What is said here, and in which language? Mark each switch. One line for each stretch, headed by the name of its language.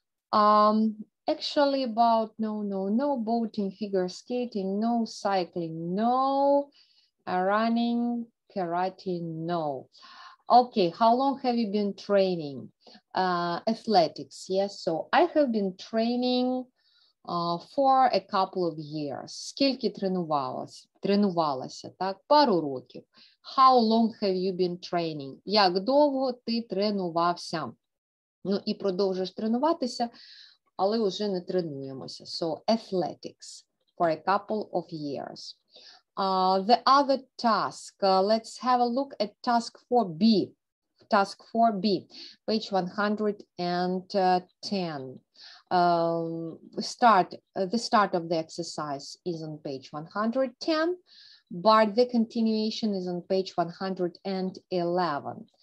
English: Actually about no boating, figure skating, no cycling, no running, karate, no. Okay, how long have you been training? Athletics, yes. So I have been training for a couple of years.
Ukrainian: Скільки тренувалася, так? Пару років.
English: How long have you been training?
Ukrainian: Як довго ти тренувався? Ну і продовжиш тренуватися, але вже не тренуємося.
English: So athletics for a couple of years. The other task, let's have a look at task 4B. Task 4B, page 110. The start of the exercise is on page 110, but the continuation is on page 111.